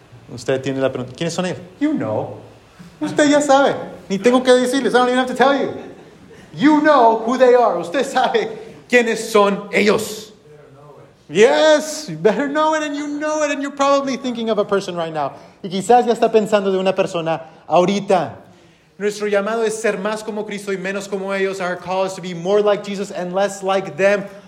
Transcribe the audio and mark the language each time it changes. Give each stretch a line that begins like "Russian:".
Spanish: Usted tiene la pregunta, ¿quiénes son ellos?
English: You know.
Spanish: Usted ya sabe. Ni tengo que decirles,
English: I don't even have to tell you. You know who they are.
Spanish: Usted sabe quiénes son ellos.
English: Yes, you better know it, and you know it, and you're probably thinking of a person right now.
Spanish: Y quizás ya está pensando de una persona ahorita. Nuestro llamado es ser más como Cristo y menos como ellos.
English: Our call is to be more like Jesus and less like them.